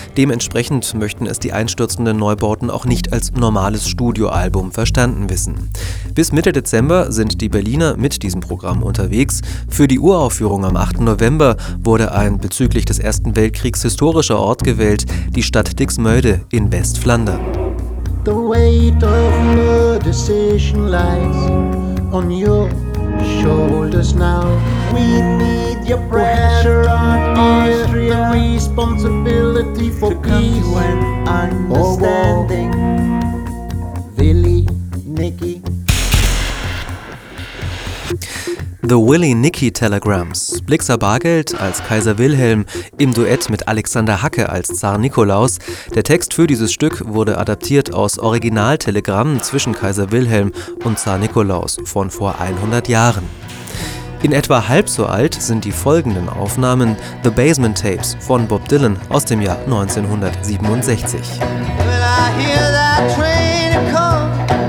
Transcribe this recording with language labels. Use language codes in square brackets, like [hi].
[de] Dementsprechend möchten es die einstürzenden Neubauten auch nicht als normales Studioalbum verstanden wissen. Bis Mitte Dezember sind die Berliner mit diesem Programm unterwegs. Für die Uraufführung am 8. November wurde ein bezüglich des Ersten Weltkriegs historischer Ort gewählt, die Stadt Dixmude in Westflandern. [en] The weight of the decision lies on you. Shoulders now. We need your pressure on Austria. The responsibility for peace and understanding. Willy, Nicky. The Willy-Nicky Telegrams. [de] Blixer Bargeld als Kaiser Wilhelm im Duett mit Alexander Hacke als Zar Nikolaus. Der Text für dieses Stück wurde adaptiert aus Originaltelegrammen zwischen Kaiser Wilhelm und Zar Nikolaus von vor 100 Jahren. In etwa halb so alt sind die folgenden Aufnahmen: The Basement Tapes von Bob Dylan aus dem Jahr 1967. [en] Will I hear that train come?